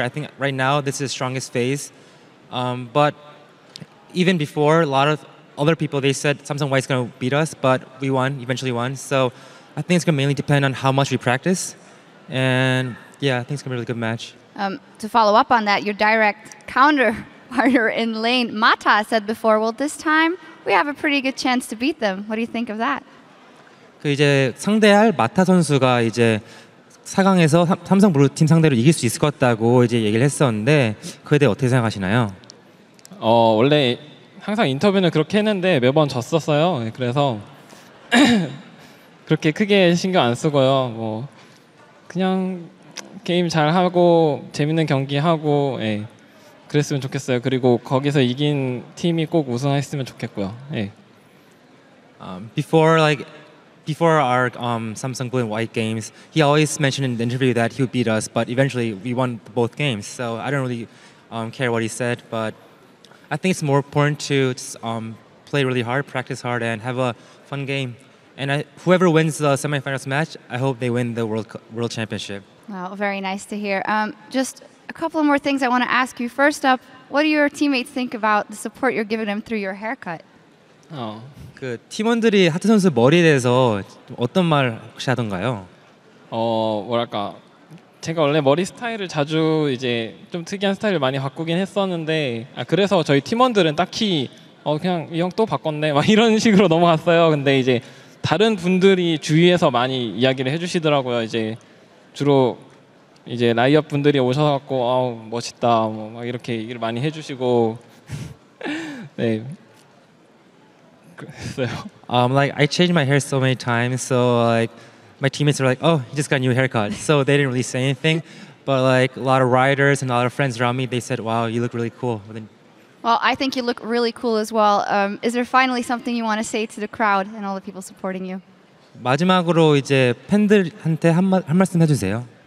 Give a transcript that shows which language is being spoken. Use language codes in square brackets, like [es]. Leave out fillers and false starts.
[en] I think right now, this is the strongest phase. But even before, a lot of other people, they said Samsung White's going to beat us, but we won, eventually won. So I think it's going to mainly depend on how much we practice. And yeah, I think it's going to be a really good match. To follow up on that, your direct counter partner in lane, Mata, said before, well, this time, we have a pretty good chance to beat them. What do you think of that? [ko] 그 이제 상대할 마타 선수가 이제 4강에서 삼성 블루 팀 상대로 이길 수 있을 것 같다고 이제 얘기를 했었는데 그에 대해 어떻게 생각하시나요? 원래 항상 인터뷰는 그렇게 했는데 매번 졌었어요. 그래서 그렇게 크게 신경 안 쓰고요. 뭐 그냥 게임 잘 하고 재밌는 경기 하고 예. 그랬으면 좋겠어요. 그리고 거기서 이긴 팀이 꼭 우승했으면 좋겠고요. 예. [en] Before our Samsung Blue and White games, he always mentioned in the interview that he would beat us, but eventually we won both games. So I don't really care what he said, but I think it's more important to just, play really hard, practice hard, and have a fun game. And whoever wins the semifinals match, I hope they win the World Championship. Wow, very nice to hear. A couple of more things I want to ask you. First up, what do your teammates think about the support you're giving them through your haircut? [ko] 그 팀원들이 하트 선수 머리에 대해서 어떤 말 혹시 하던가요? 뭐랄까 제가 원래 머리 스타일을 자주 이제 좀 특이한 스타일을 많이 바꾸긴 했었는데 그래서 저희 팀원들은 딱히 그냥 이 형 또 바꿨네 막 이런 식으로 넘어갔어요. 근데 이제 다른 분들이 주위에서 많이 이야기를 해주시더라고요. 이제 주로 이제 라이엇 분들이 오셔서 아우 멋있다 뭐 막 이렇게 얘기를 많이 해주시고 네 그랬어요. [en] Like I changed my hair so many times, so like my teammates were like, oh, you just got a new haircut. So they didn't really say anything, but like a lot of riders and a lot of friends around me, they said, wow, you look really cool. Well, I think you look really cool as well. Is there finally something you want to say to the crowd and all the people supporting you? [ko] 마지막으로 이제 팬들한테 한 말씀 해주세요.